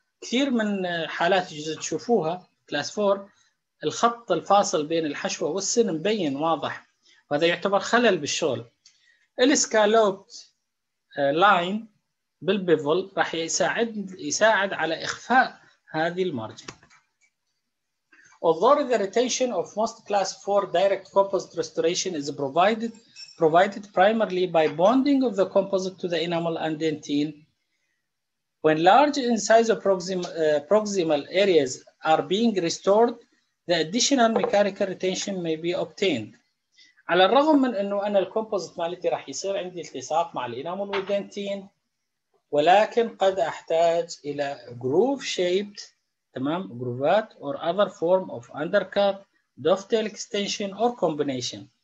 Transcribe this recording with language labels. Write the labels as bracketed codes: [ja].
[ar] كثير من حالات جزء تشوفوها كلاس 4 الخط الفاصل بين الحشوه والسن مبين واضح وهذا يعتبر خلل بالشغل. الاسكالوبت لاين بالبيفل راح يساعد على اخفاء هذه المارجن. [en] Although the retention of most class 4 direct composite restoration is provided primarily by bonding of the composite to the enamel and dentine. When large in size of proximal areas are being restored, the additional mechanical retention may be obtained. [ar] على الرغم من انه انا الكومبوزيت مالتي راح يصير عندي التصاق مع الانامول والدنتين، ولكن قد احتاج الى [en] groove shaped [ar] تمام groovat [en] or other form of undercut dovetail extension or combination.